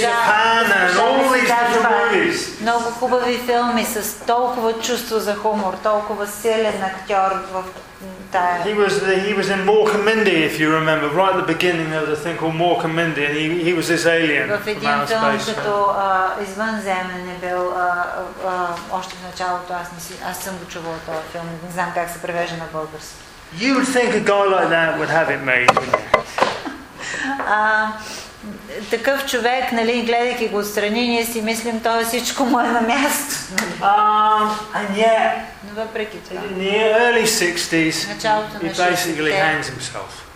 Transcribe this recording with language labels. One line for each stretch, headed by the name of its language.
English: Japan and all these different movies.
Bulgarian: Много хубави филми с толкова чувство за хумор, толкова силен актьор в тая.
English: He was in Mork and Mindy, if you remember, right at the beginning of the thing called Mork and Mindy, and he was this alien from outer space.
Bulgarian: В един филм като извънземен е бил още в началото, аз съм го чувал този филм, не знам как се превежда на български.
English: You would think a guy like that would have it made.
Bulgarian: Такъв човек, нали, гледайки го отстрани, ние си мислим, той всичко му е на място.
English: And yet,
Bulgarian: но въпреки това,
English: in the early 60s, he basically hangs himself.